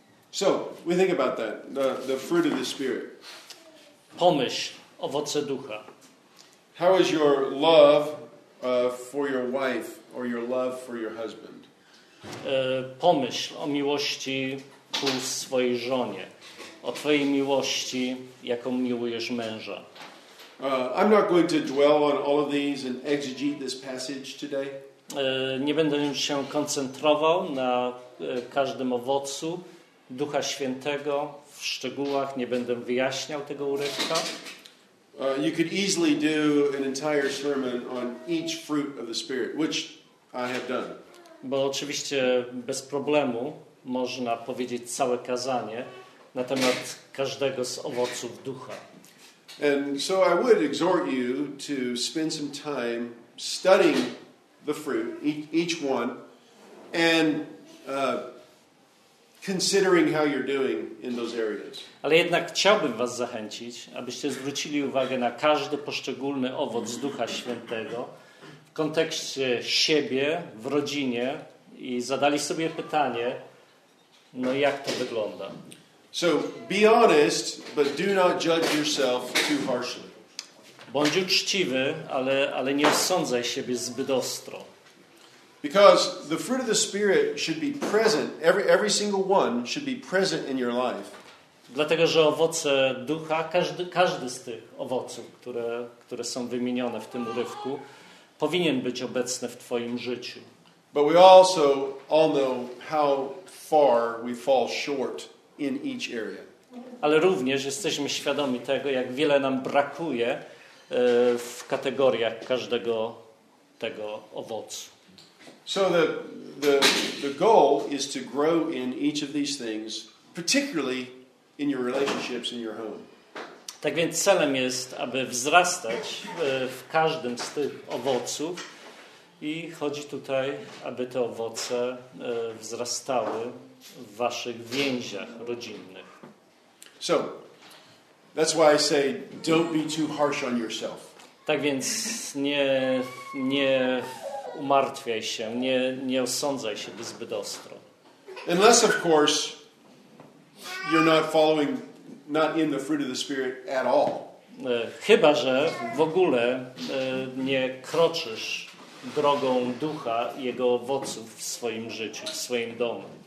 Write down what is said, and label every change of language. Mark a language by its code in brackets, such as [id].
[en] So, we think about that, the fruit of the Spirit. [pl] Pomyśl, owoce ducha. [en] How is your love for your wife or your love for your husband? [pl] Pomyśl o miłości ku swojej żonie, o twojej miłości, jaką miłujesz męża. [en] I'm not going to dwell on all of these and exegete this passage today. [pl] Nie będę się koncentrował na każdym owocu Ducha Świętego w szczegółach, nie będę wyjaśniał tego urywka. [en] You could easily do an entire sermon on each fruit of the Spirit, which I have done. [pl] Bo oczywiście bez problemu można powiedzieć całe kazanie na temat każdego z owoców ducha. [en] And so I would exhort you to spend some time studying the fruit, each one, and considering how you're doing in those areas. [pl] Ale jednak chciałbym was zachęcić, abyście zwrócili uwagę na każdy poszczególny owoc Ducha Świętego w kontekście siebie, w rodzinie i zadali sobie pytanie, no jak to wygląda. [en] So be honest, but do not judge yourself too harshly. [pl] Bądź uczciwy, ale nie osądzaj siebie zbyt ostro. [en] Because the fruit of the Spirit should be present, every single one should be present in your life. [pl] Dlatego, że owoce ducha, każdy z tych owoców, które są wymienione w tym urywku, powinien być obecny w twoim życiu. [en] But we also all know how far we fall short in each area. [pl] Ale również jesteśmy świadomi tego, jak wiele nam brakuje w kategoriach każdego tego owocu. [en] So the goal is to grow in each of these things, particularly in your relationships in your home. [pl] Tak więc celem jest, aby wzrastać w każdym z tych owoców i chodzi tutaj, aby te owoce wzrastały w waszych więziach rodzinnych. [en] So that's why I say don't be too harsh on yourself. [pl] Tak więc nie umartwiaj się, nie osądzaj się zbyt ostro. [en] Unless of course you're not in the fruit of the Spirit at all. [pl] Chyba że w ogóle nie kroczysz drogą ducha i jego owoców w swoim życiu, w swoim domu.